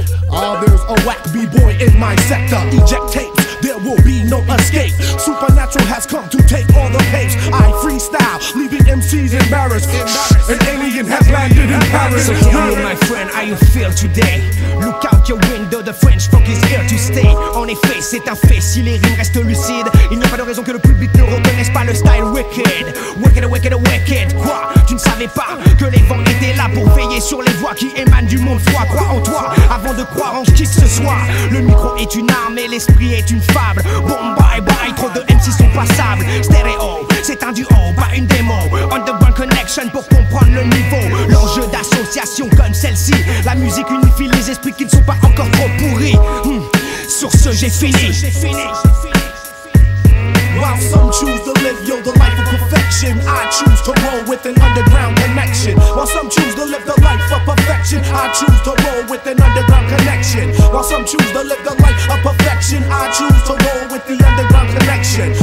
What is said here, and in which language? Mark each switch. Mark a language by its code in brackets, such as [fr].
[en] Ah, there's a whack b-boy in my sector. Eject tapes, there will be no escape. Supernatural has come to take all the pace. I freestyle, leaving MCs embarrassed. An alien has landed in Paris. So tell me, my friend, how you feel today? Look out your window, the French folk is here to stay. [fr] En effet, c'est un fait, si les rimes restent lucides, il n'y a pas de raison que le public ne reconnaisse pas le style wicked. [en] Wicked, wicked, wicked. [fr] Quoi? Tu ne savais pas que les vents étaient là pour veiller sur les voix qui émanent du monde froid. Crois en toi, avant de croire en qui que ce soit. Le micro est une arme et l'esprit est une fable. Bon bye bye, trop de MC sont passables. Stéréo, c'est un duo, pas une démo. [en] Underground connection [fr] pour comprendre le niveau. L'enjeu d'association comme celle-ci, la musique unifie les esprits qui ne sont pas encore trop pourris. Sur ce, j'ai fini. [en] While some choose to live, yo, the life of perfection, I choose to roll with an underground connection. While some choose to live the life of perfection, I choose to roll with an underground connection. While some choose to live the life of perfection, I choose to roll with the underground connection.